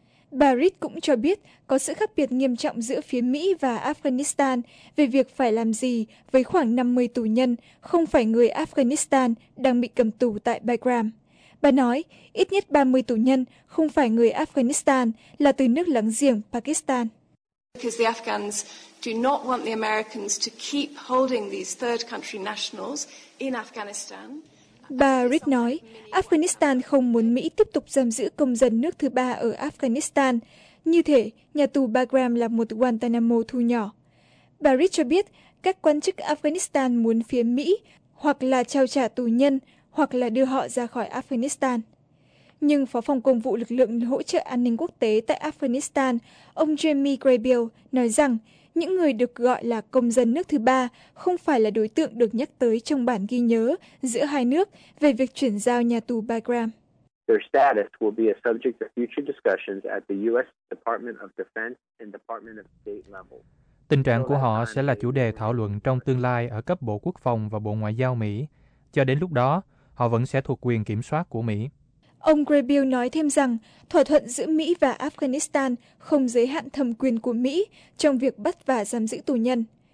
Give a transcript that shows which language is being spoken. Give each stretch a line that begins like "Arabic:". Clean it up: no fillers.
Vietnamese: Bà Reed cũng cho biết có sự khác biệt nghiêm trọng giữa phía Mỹ và Afghanistan về việc phải làm gì với khoảng 50 tù nhân không phải người Afghanistan đang bị cầm tù tại Bagram. Bà nói ít nhất 30 tù nhân không phải người Afghanistan là từ nước láng giềng Pakistan.
English: Because the Afghans do not want the Americans to keep holding these third country nationals in Afghanistan.
Vietnamese: Bà Reed nói, Afghanistan không muốn Mỹ tiếp tục giam giữ công dân nước thứ ba ở Afghanistan. Như thế, nhà tù Bagram là một Guantanamo thu nhỏ. Bà Reed cho biết, các quan chức Afghanistan muốn phía Mỹ hoặc là trao trả tù nhân hoặc là đưa họ ra khỏi Afghanistan. Nhưng Phó Phòng Công vụ Lực lượng Hỗ trợ An ninh Quốc tế tại Afghanistan, ông Jamie Grabeel, nói rằng những người được gọi là công dân nước thứ ba không phải là đối tượng được nhắc tới trong bản ghi nhớ giữa hai nước về việc chuyển giao nhà tù Bagram.
English: Their status will be a subject of future discussions at the U.S. Department of Defense and Department of State level.
Vietnamese: Tình trạng của họ sẽ là chủ đề thảo luận trong tương lai ở cấp Bộ Quốc phòng và Bộ Ngoại giao Mỹ. Cho đến lúc đó, họ vẫn sẽ thuộc quyền kiểm soát của Mỹ. Ông Grabeel nói thêm rằng thỏa thuận giữa Mỹ và Afghanistan không giới hạn thẩm quyền của Mỹ trong việc bắt và giam giữ tù nhân.